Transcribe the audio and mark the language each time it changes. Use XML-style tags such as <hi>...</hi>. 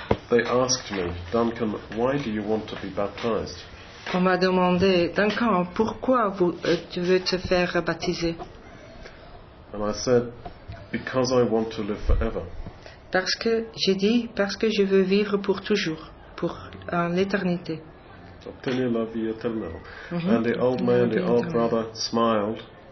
<en>They asked me, Duncan, why do you want to be baptized?</en> <fr>On m'a demandé, Duncan, pourquoi vous, tu veux te faire baptiser?</fr> <en>And I said, because I want to live forever.</en> <fr>Parce que j'ai dit, parce que je veux vivre pour toujours, pour l'éternité. Obtenir la vie éternelle. Mm-hmm.</fr> <en>And the old man, the old brother, smiled.</en>